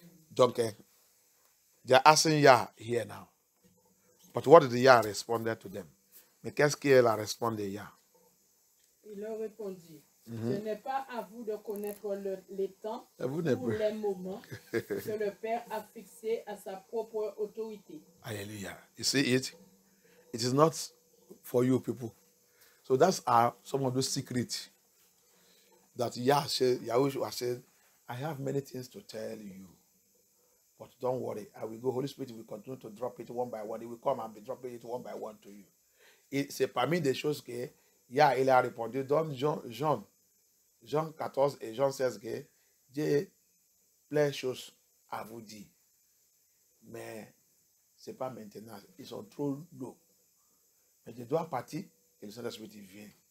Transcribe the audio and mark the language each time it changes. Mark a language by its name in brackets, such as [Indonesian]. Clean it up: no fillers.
[English] Donc, they are asking Yah here now. But what did Yah respond to them? [French] Mais qu'est-ce qu'elle a répondu à Yah? Il leur répondit, ce n'est pas à vous de connaître les temps ou les moments que le Père a fixé à sa propre autorité. [English] Alléluia. You see it? It is not for you people. So that's some of the secrets that Yahushua said, I have many things to tell you, but don't worry. I will go. Holy Spirit will continue to drop it one by one. He will come and be dropping it one by one to you. [French] C'est parmi des choses que Yah, il a répondu dans Jean 14 et Jean 16 que j'ai plein de choses à vous dire. Mais ce n'est pas maintenant. Ils sont trop lourds. Mais je dois partir. Et le Saint-Esprit vient.